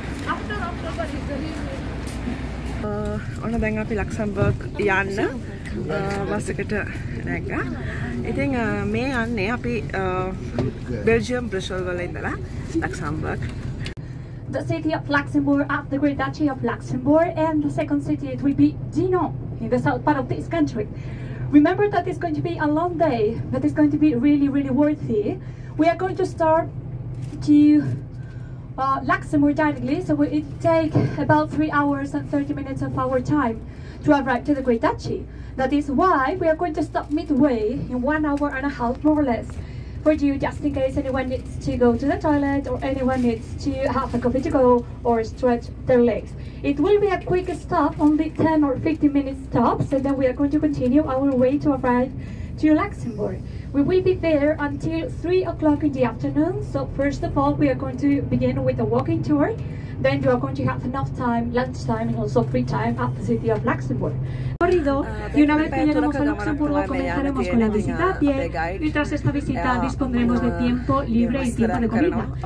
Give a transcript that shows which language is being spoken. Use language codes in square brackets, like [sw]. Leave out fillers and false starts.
[en] after October is [si] the ඔන්න දැන් අපි Luxembourg යන්න බස් එකට නැගගා. ඉතින් මේ යන්නේ අපි Belgium Brussels වල ඉඳලා Luxembourg. [en] The city of Luxembourg after the Great Duchy of Luxembourg and the second city it will be Dino in the south part of this country. Remember that it's going to be a long day, but it's going to be really, really worthy. We are going to start to Luxembourg directly, so it takes about 3 hours and 30 minutes of our time to arrive to the Great Duchy. That is why we are going to stop midway in 1 hour and a half, more or less, for you, just in case anyone needs to go to the toilet or anyone needs to have a coffee to go or stretch their legs. It will be a quick stop, only 10 or 15 minute stops, and then we are going to continue our way to arrive to Luxembourg. We will be there until 3 o'clock in the afternoon. So first of all, we are going to begin with a walking tour. Then you are going to have enough time, lunch time, and also free time at the city of Luxembourg. [es] Corrido, y una vez que lleguemos a Luxemburgo, comenzaremos con la visita a pie. Y tras esta visita, dispondremos de tiempo libre y tiempo de comida.